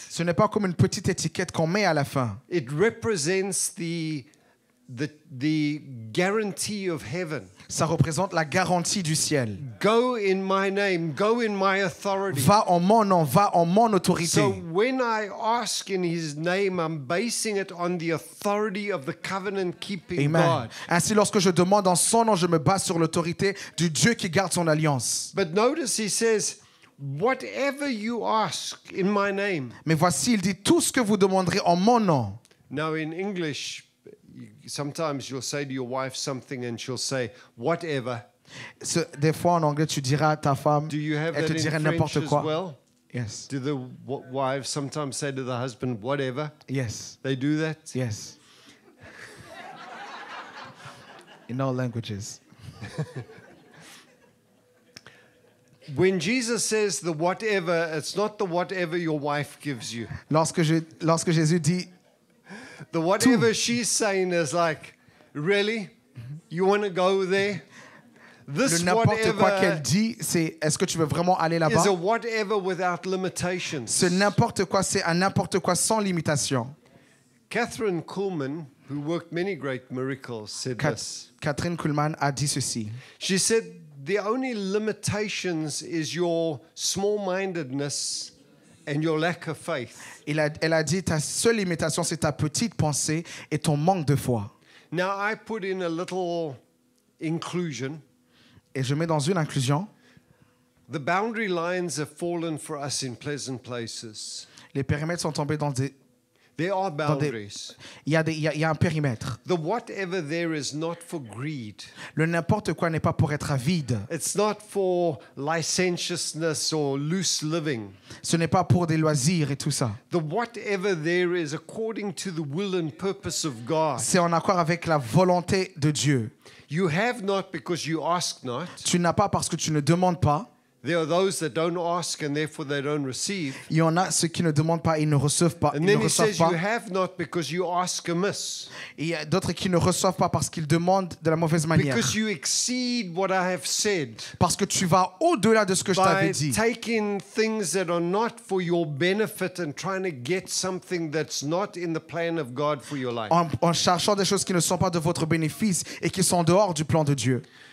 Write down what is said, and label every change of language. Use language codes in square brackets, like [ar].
[fr] Ce n'est pas comme une petite étiquette qu'on met à la fin. [en] It represents the guarantee of heaven. [fr] Ça représente la garantie du ciel. [en] Go in my name, go in my authority. [fr] Va en mon nom, va en mon autorité. [en] So when I ask in his name, I'm basing it on the authority of the covenant keeping God. Amen. [fr] Ainsi, lorsque je demande en son nom, je me base sur l'autorité du Dieu qui garde son alliance. [en] But notice he says, whatever you ask in my name. [fr] Mais voici, il dit tout ce que vous demanderez en mon nom. [en] Now in English, sometimes you'll say to your wife something and she'll say whatever. [fr] So, des fois en anglais tu diras à ta femme, elle te dira n'importe quoi. [en] Well? Yes. Do the wives sometimes say to the husband whatever? Yes. They do that? Yes. In all languages. When Jesus says the whatever, it's not the whatever your wife gives you. [fr] Lorsque Jésus dit [en] the whatever she's saying is like, really? You want to go there? [fr] This le n'importe quoi qu'elle dit, c'est est-ce que tu veux vraiment aller là-bas? [en] Is a whatever without limitations. [fr] Ce n'importe quoi, c'est un n'importe quoi sans limitation. [en] Catherine Kuhlman, who worked many great miracles, said this. [fr] Catherine Kuhlman a dit ceci. [en] She said, the only limitations is your small-mindedness and your lack of faith. [fr] Elle a dit, ta seule limitation, c'est ta petite pensée et ton manque de foi. [en] Now I put in a little inclusion. [fr] Et je mets dans une inclusion. [en] The boundary lines have fallen for us in pleasant places. [fr] Les périmètres sont tombés dans des [en] There are boundaries. [fr] Il y a un périmètre. [en] The whatever there is not for greed. [fr] Le n'importe quoi n'est pas pour être avide. [en] It's not for licentiousness or loose living. [fr] Ce n'est pas pour des loisirs et tout ça. [en] The whatever there is according to the will and purpose of God. [fr] C'est en accord avec la volonté de Dieu. [en] You have not because you ask not. [fr] Tu n'as pas parce que tu ne demandes pas. [en] There are those that don't ask and therefore they don't receive. [fr] Il y en a ceux qui ne demandent pas, ils ne reçoivent pas. [en] And then he says you have not because you ask amiss. [fr] Il y a d'autres qui ne reçoivent pas parce qu'ils demandent de la mauvaise manière. [en] Because you exceed what I have said. [fr] Parce que tu vas au-delà de ce que je t'avais dit. [en] By taking things that are not for your benefit and trying to get something that's not in the plan of God for your life. [fr] En cherchant des choses qui ne sont pas de votre bénéfice et qui sont dehors du plan de Dieu.